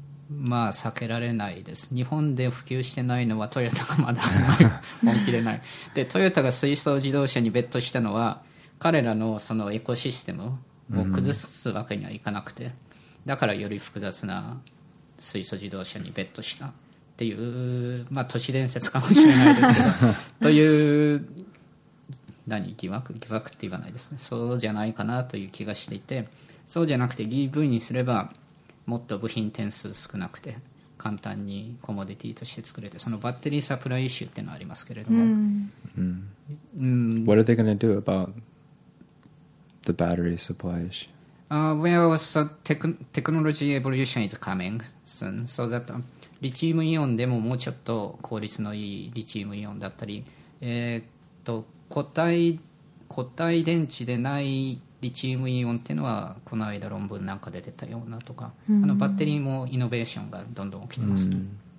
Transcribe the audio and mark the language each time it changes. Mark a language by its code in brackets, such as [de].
[ja] まあ避けられないです。日本で普及してないのはトヨタがまだ本気でないで、トヨタが水素自動車にベットしたのは彼らのそのエコシステムを崩すわけにはいかなくて、だからより複雑な水素自動車にベットしたっていう、まあ都市伝説かもしれないですけどという疑惑って言わないですね、そうじゃないかなという気がしていて、そうじゃなくて EV にすればもっと部品点数少なくて簡単にコモディティとして作れて、そのバッテリーサプライイシューっていうのはありますけれども、 [en] What are they going to do about the battery supply issue? Well, so technology evolution is coming soon, so that [ja] リチウムイオンでももうちょっと効率のいいリチウムイオンだったり、固体固体電池でないリチウムイオンっていうのはこの間論文なんかで出たようなとか、うん、あのバッテリーもイノベーションがどんどん起きてます、うん、